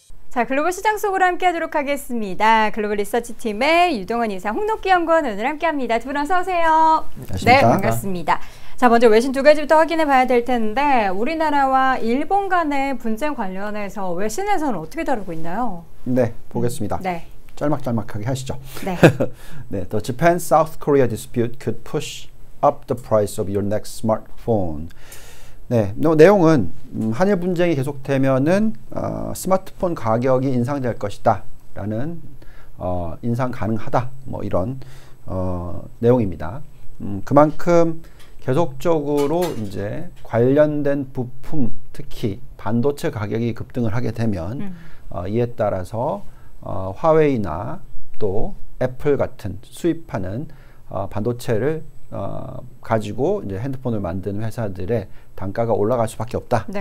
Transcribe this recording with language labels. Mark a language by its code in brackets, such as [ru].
[ko] 자, 글로벌 시장 속으로 함께하도록 하겠습니다. 글로벌 리서치팀의 유동원 이사, 홍록기 연구원 오늘 함께합니다. 두분 어서 오세요. 네, 안녕하십니까? 반갑습니다. 자, 먼저 외신 두 가지부터 확인해 봐야 될 텐데, 우리나라와 일본 간의 분쟁 관련해서 외신에서는 어떻게 다루고 있나요? 네, 보겠습니다. 네. 짤막짤막하게 하시죠. 네. [en] The Japan South Korea dispute could push up the price of your next smartphone. [ko] 네, 내용은 한일 분쟁이 계속되면은 스마트폰 가격이 인상될 것이다라는 인상 가능하다 뭐 이런 내용입니다. 그만큼 계속적으로 이제 관련된 부품, 특히 반도체 가격이 급등을 하게 되면 이에 따라서 화웨이나 또 애플 같은 수입하는 반도체를 가지고 이제 핸드폰을 만드는 회사들의 단가가 올라갈 수밖에 없다.